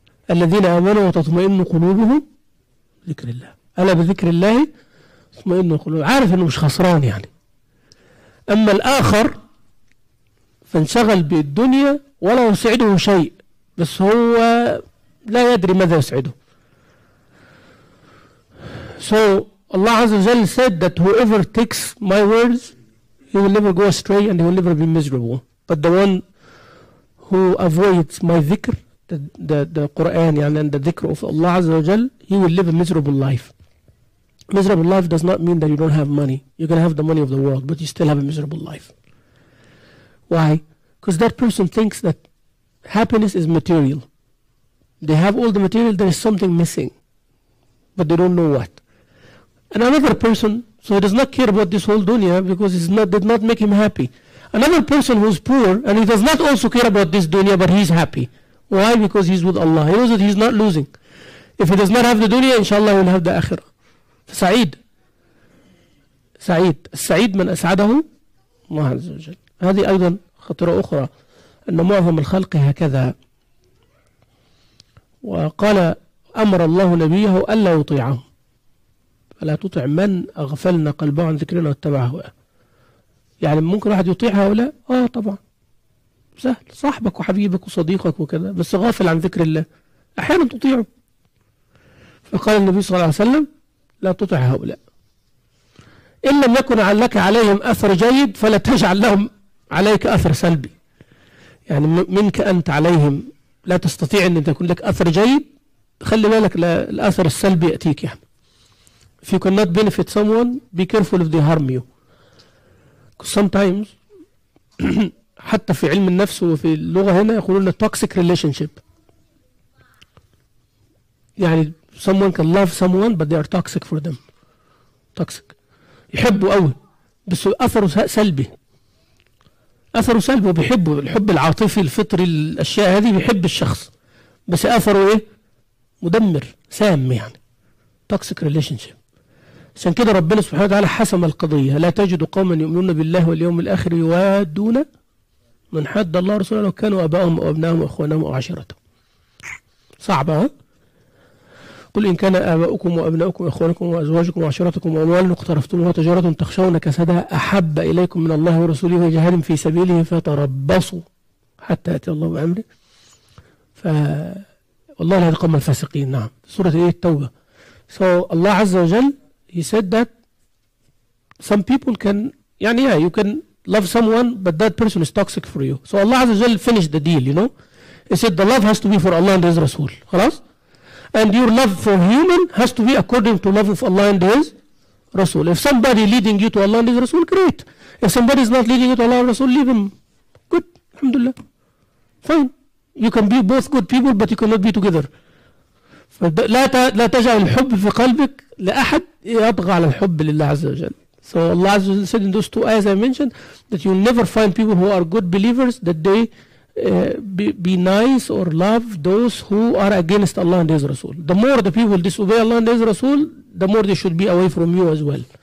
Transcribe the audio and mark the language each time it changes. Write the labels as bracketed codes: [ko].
[ar] الذين آمنوا وتطمئن قلوبهم ذكر الله. ألا بذكر الله تطمئن قلوبهم. عارف أنه مش خسران يعني. أما الآخر فانشغل بالدنيا ولا يسعده شيء، بس هو لا يدري ماذا يسعده. [en] So Allah [ar] عز وجل [en] said that whoever takes my words, he will never go astray and he will never be miserable. But the one who avoids my dhikr, the Quran يعني and the dhikr of Allah عز وجل, he will live a miserable life. Miserable life does not mean that you don't have money. You're going to have the money of the world, but you still have a miserable life. Why? Because that person thinks that happiness is material. They have all the material, there is something missing, but they don't know what. And another person, so he does not care about this whole dunya because it's not, did not make him happy. Another person who's poor, and he does not also care about this dunya, but he's happy. Why? Because he's with Allah. He knows that he's not losing. If he does not have the dunya, inshallah, he will have the akhirah. [ar] سعيد سعيد السعيد من أسعده الله عز وجل. هذه أيضا خطرة أخرى أن معظم الخلق هكذا. وقال أمر الله نبيه ألا يطيعه، فلا تطع من أغفلنا قلبه عن ذكرنا واتبع هواه. يعني ممكن واحد يطيع هؤلاء؟ آه طبعا سهل، صاحبك وحبيبك وصديقك وكذا، بس غافل عن ذكر الله أحيانا تطيعه. فقال النبي صلى الله عليه وسلم لا تطع هؤلاء، إن لم يكن لك عليهم أثر جيد فلا تجعل لهم عليك أثر سلبي. يعني منك أنت عليهم لا تستطيع أن تكون لك أثر جيد، خلي بالك الأثر السلبي يأتيك. [en] يعني if you cannot benefit someone be careful if they harm you. Because sometimes [ar] حتى في علم النفس وفي اللغة هنا يقولون [en] toxic relationship، يعني someone can love someone but they are toxic for them. Toxic. [ar] يحبوا قوي بس أثره سلبي، أثره سلبي، وبيحبوا الحب العاطفي الفطري الأشياء هذه، بيحب الشخص بس أثره إيه؟ مدمر سام يعني. [en] Toxic relationship. [ar] عشان كده ربنا سبحانه وتعالى حسم القضية، لا تجد قوما يؤمنون بالله واليوم الآخر يوادون من حد الله رسوله كانوا أباءهم وأبنائهم وأخوانهم وعشيرتهم. صعبة ها؟ قل إن كان آباؤكم وأبناؤكم وإخوانكم وأزواجكم وعشيرتكم وأموال اقترفتموها تجارة تخشون كسدها أحب إليكم من الله ورسوله وجهاد في سبيله فتربصوا حتى يأتي الله بأمره. فوالله لهذه قوم الفاسقين. نعم سورة إيه؟ التوبة. [en] So الله [ar] عز وجل [en] he said that some people can يعني yeah you can love someone but that person is toxic for you. So الله [ar] عز وجل [en] finished the deal, you know, he said the love has to be for Allah and His Rasul. [ar] خلاص. [en] And your love for human has to be according to love of Allah and His Rasul. If somebody leading you to Allah and His Rasul, great. If somebody is not leading you to Allah and Rasul, leave him. Good. Alhamdulillah. Fine. You can be both good people, but you cannot be together. [ar] لا تجعل الحب في قلبك لأحد يبغى على الحب لله عز وجل. [en] So Allah [ar] عز وجل [en] said in those two ayahs I mentioned that you'll never find people who are good believers that they be nice or love those who are against Allah and His Rasul. The more the people disobey Allah and His Rasul, the more they should be away from you as well.